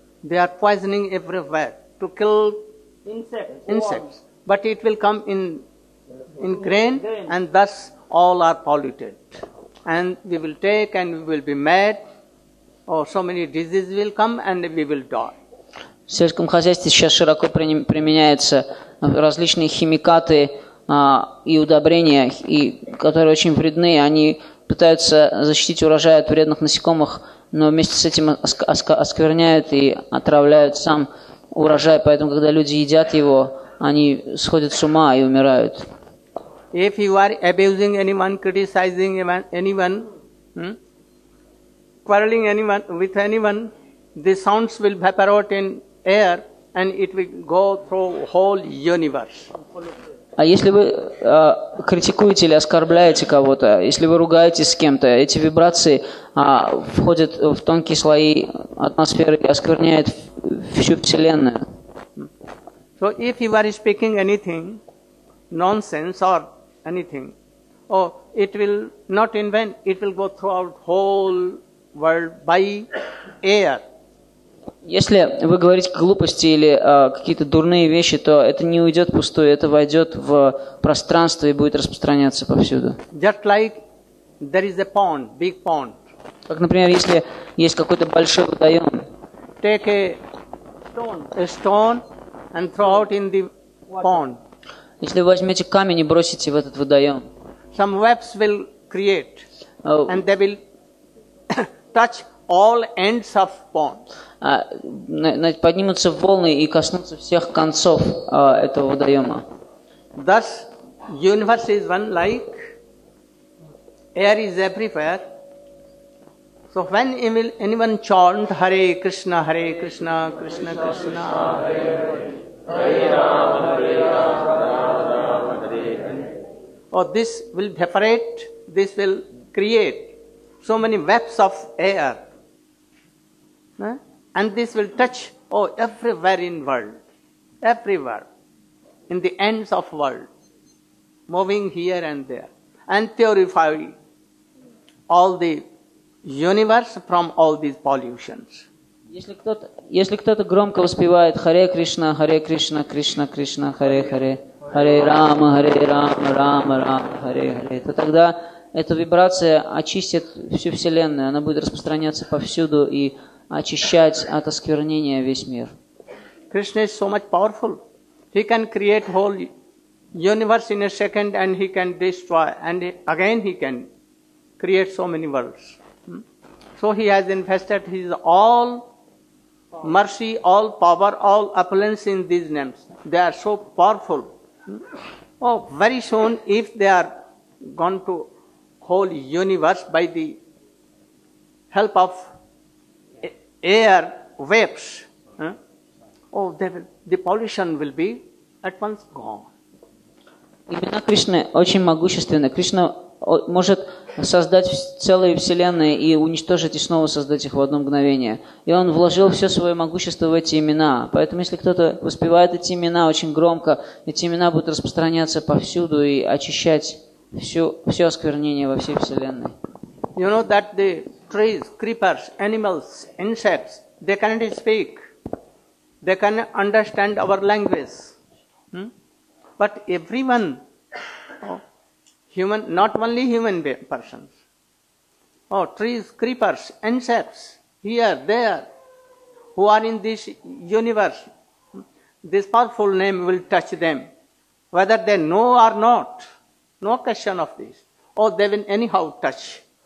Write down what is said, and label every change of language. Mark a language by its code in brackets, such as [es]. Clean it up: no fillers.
[en] They are poisoning everywhere to kill insects. But it will come in grain, and thus all are polluted. And we will take and we will be mad, so many diseases will come and we will die. [ru] В сельском хозяйстве сейчас широко применяются различные химикаты и удобрения, которые очень вредны. Они пытаются защитить урожай от вредных насекомых, но вместе с этим оскверняют и отравляют сам урожай. Поэтому, когда люди едят его, они сходят с ума и умирают. [en] If you are abusing anyone, criticizing anyone, quarreling anyone with anyone, the sounds will evaporate in air and it will go through whole universe. [ru] А если вы критикуете или оскорбляете кого-то, если вы ругаетесь с кем-то, эти вибрации входят в тонкие слои атмосферы и оскверняют всю вселенную. [en] So if you are speaking anything nonsense or anything, it will not in vain, it will go throughout whole world by air. [ru] Если вы говорите глупости или какие-то дурные вещи, то это не уйдет пустой, это войдет в пространство и будет распространяться повсюду. [en] Just like there is a pond, big pond. [ru] Как, например, если есть какой-то большой водоем. [en] Take a stone and throw out in the pond. [ru] Если вы возьмете камень и бросите в этот водоем. [en] Some webs will create and they will touch all ends of pond. [ru] Поднимутся волны и коснутся всех концов этого водоема. [en] Thus, universe is one, like air is everywhere, So when anyone chant Hare Krishna, Hare Krishna, Krishna Krishna, Hare Hare, Hare Rama, Hare Rama, Rama Hare Hare, oh, this will vibrate, this will create so many webs of air. And this will touch, oh, everywhere in world, everywhere, in the ends of world, moving here and there, and purify all the universe from all these pollutions. [ru] Если кто-то громко воспевает Харе Кришна, Харе Кришна, Кришна Кришна, Харе Харе, Харе Рама, Харе Рама, Рама Рама, Харе Харе, то тогда эта вибрация очистит всю Вселенную, она будет распространяться повсюду и очищать от осквернения весь мир. [en] Krishna is so much powerful. He can create whole universe in a second and he can destroy and again he can create so many worlds. So he has invested his all mercy, all power, all opulence in these names. They are so powerful. Oh, very soon if they are gone to whole universe by the help of air waves, the pollution will be at once gone. [ru] Имена Кришны очень могущественны. Кришна может создать целые вселенные и уничтожить и снова создать их в одно мгновение. И он вложил все свое могущество в эти имена. Поэтому если кто-то воспевает эти имена очень громко, эти имена будут распространяться повсюду и очищать все осквернение во всей вселенной. [en] You know that the trees, creepers, animals, insects, they cannot speak. They cannot understand our language. But everyone, human, not only human persons, trees, creepers, insects, here, there, who are in this universe, this powerful name will touch them, whether they know or not, no question of this, or they will anyhow touch.